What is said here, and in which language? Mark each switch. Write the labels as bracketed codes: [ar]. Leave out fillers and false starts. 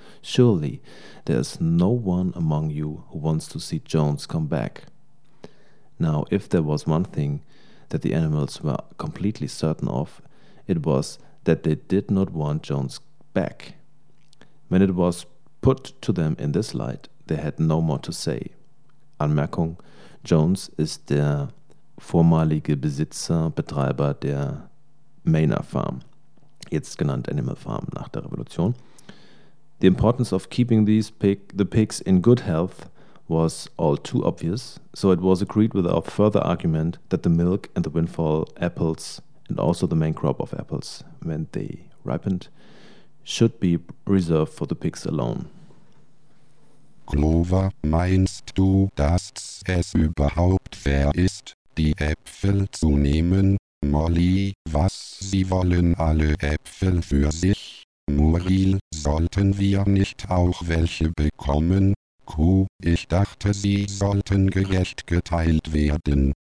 [en] Surely, there is no one among you who wants to see Jones come back. Now, if there was one thing that the animals were completely certain of, it was that they did not want Jones back. When it was put to them in this light, they had no more to say. [de] Anmerkung, Jones ist der vormalige Besitzer, Betreiber der Manor Farm, jetzt genannt Animal Farm nach der Revolution. [en] The importance of keeping these pigs in good health was all too obvious, so it was agreed without further argument that the milk and the windfall apples, and also the main crop of apples when they ripened, should be reserved for the pigs alone. [de] Clover, meinst du, dass es überhaupt fair ist, die Äpfel zu nehmen? Molly, was, sie wollen alle Äpfel für sich? Muriel, sollten wir nicht auch welche bekommen? Kuh, ich dachte, sie sollten gerecht geteilt werden.